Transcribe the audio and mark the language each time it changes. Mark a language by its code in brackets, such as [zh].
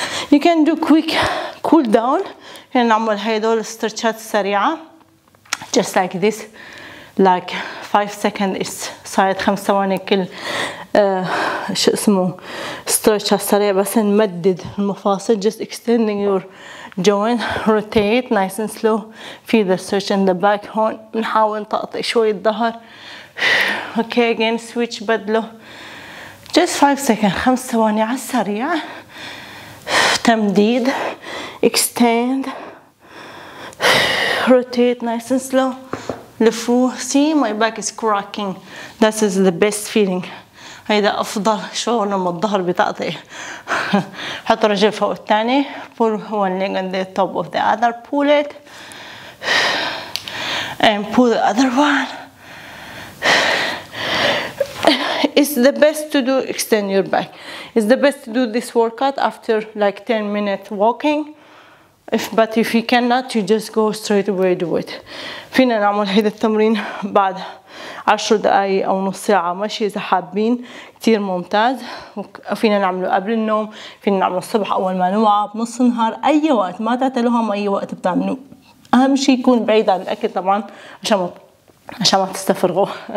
[en] You can do quick cool down. [ar] And نعمل هيدول استرتشات سريعة. [en] Just like this. [ar] Like 5 seconds صارت 5 ثواني كل شو اسمه استرتش سريع, بس نمدد المفاصل. [en] Just extending your join, rotate nice and slow. Feel the stretch in the back. [ar] هون نحاول نطقطق شوي الظهر. Okay, again switch بدله. [en] just 5 seconds, 5 ثواني على السريع. تمديد, extend, rotate nice and slow. لفو. See, my back is cracking. This is the best feeling. [ar] هذا أفضل شعور لما الظهر بتقطيع. حط رجل فوق الثاني. [en] Pull one leg on the top of the other. Pull it. And pull the other one. It's the best to do extend your back. It's the best to do this workout after like 10 minutes walking. But if you cannot, you just go straight away do it. [ar] فينا نعمل هذا التمرين بعد 10 دقائق أو نص ساعة مشي إذا حابين, كتير ممتاز. فينا نعمله قبل النوم, فينا نعمله الصبح أول ما نوعى, بنص النهار, أي وقت, ما تعتلوهم أي وقت بتعملوه. أهم شيء يكون بعيد عن الأكل طبعا عشان ما تستفرغوا.